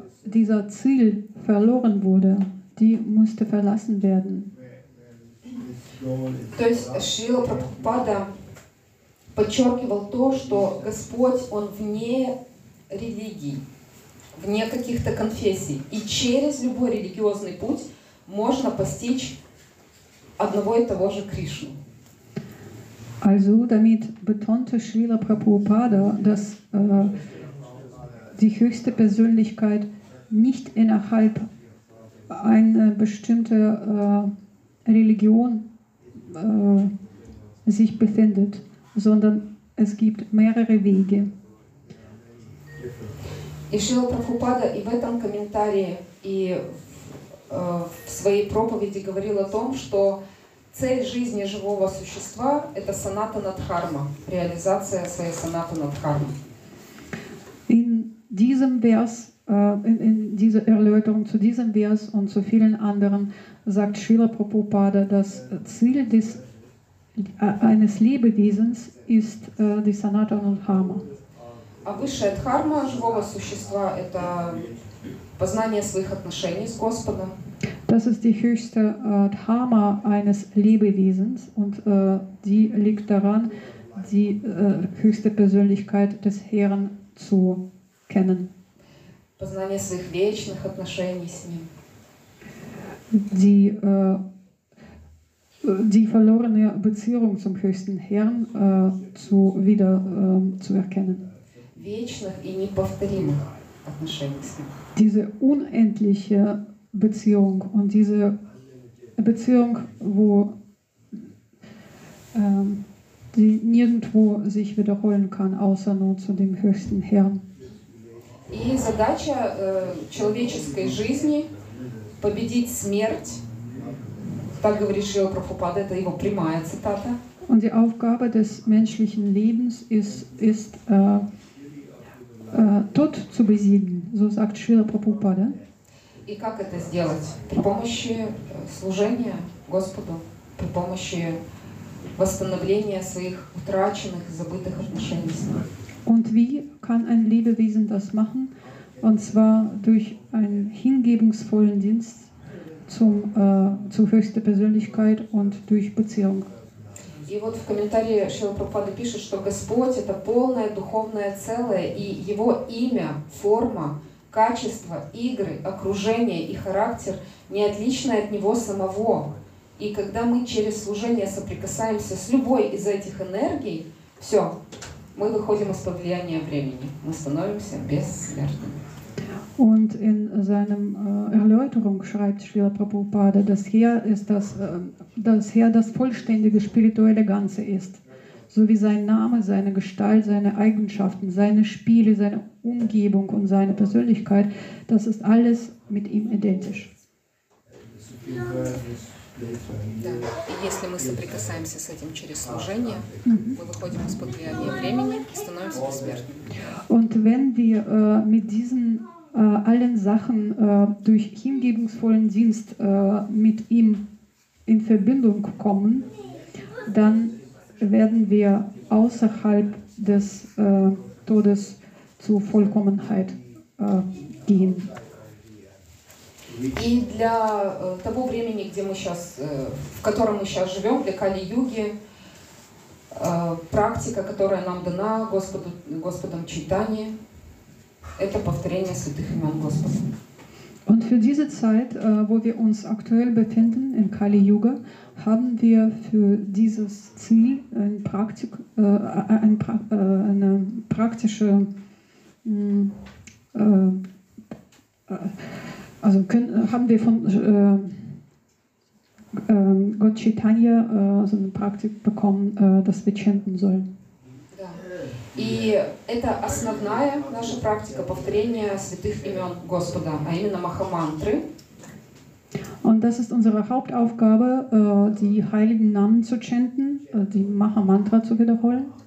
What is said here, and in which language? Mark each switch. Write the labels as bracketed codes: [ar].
[de] dieser Ziel verloren wurde, die musste verlassen werden. [ru] То есть Шрила Прабхупада подчеркивал то, что Господь, Он вне религии, вне каких-то конфессий. И через любой религиозный путь можно постичь одного и того же Кришну. [de] Also damit betonte Srila Prabhupada, dass die höchste Persönlichkeit nicht innerhalb einer bestimmten Religion sich befindet, sondern es gibt mehrere Wege. Und Srila Prabhupada in diesem Kommentar und [ru] в своей проповеди говорил о том, что цель жизни живого существа – это санатана дхарма, реализация своей санатана дхармы. [de] In diesem Vers, in dieser Erläuterung zu diesem Vers und zu vielen anderen sagt Srila Prabhupada, dass Ziel des, eines Lebewesens ist die санатана дхарма. [ru] А высшая дхарма живого существа – это познание своих отношений с Господом. [de] Das ist die höchste Dharma eines Lebewesens und die liegt daran, die höchste Persönlichkeit des Herrn zu kennen. [ru] Познание своих вечных отношений с ним. [de] Die, die verlorene Beziehung zum höchsten Herrn zu wieder zu erkennen. [ru] Вечных и неповторимых отношений с ним. [de] Diese unendliche Beziehung und diese Beziehung, wo die nirgendwo sich wiederholen kann, außer nur zu dem höchsten Herrn. [ru] И задача человеческой жизни победить смерть. Так говорит Шрила Прабхупада, это его прямая цитата. [de] Und die Aufgabe des menschlichen Lebens ist, ist Tod zu besiegen, so sagt Шрила Прабхупада. [ru] И как это сделать? При помощи служения Господу, при помощи восстановления своих утраченных, забытых отношений с Ним. [de] Und wie kann ein Lebewesen das machen? Und zwar durch einen hingebungsvollen Dienst zum, zur höchsten Persönlichkeit und durch Beziehung. [ru] И вот в комментарии Шрила Прабхупада пишет, что Господь – это полное духовное целое, и Его имя, форма, качество, игры, окружение и характер не отличны от него самого. И когда мы через служение соприкасаемся с любой из этих энергий, все, мы выходим из-под влияния времени. Мы становимся бессмертными. [de] Und in seinem Erläuterung schreibt Srila Prabhupada, dass er ist das, dass er das vollständige spirituelle Ganze ist. So wie sein Name, seine Gestalt, seine Eigenschaften, seine Spiele, seine Umgebung und seine Persönlichkeit, das ist alles mit ihm identisch. Ja. [ru] Если мы соприкасаемся с этим через служение, мы выходим из-под влияния времени и становимся бессмертными. [de] Und wenn wir mit diesen allen Sachen durch hingebungsvollen Dienst mit ihm in Verbindung kommen, dann werden wir außerhalb des Todes zur Vollkommenheit gehen. [ru] И для того времени, где мы сейчас, в котором мы сейчас живем, для Кали-Юги, практика, которая нам дана Господу, Господом Чайтани, это повторение святых имен Господа. [de] Und für diese Zeit, wo wir uns aktuell befinden, in Kali-Yuga, haben wir für dieses Ziel ein Praktik, ein pra- eine praktische, also können, haben wir von Gott Chaitanya so eine Praktik bekommen, dass wir chanten sollen. [ru] И это основная наша практика повторения святых имен Господа, а именно Махамантры. [de] Und das ist unsere Hauptaufgabe, die heiligen Namen zu chanten, die Mahamantra zu wiederholen.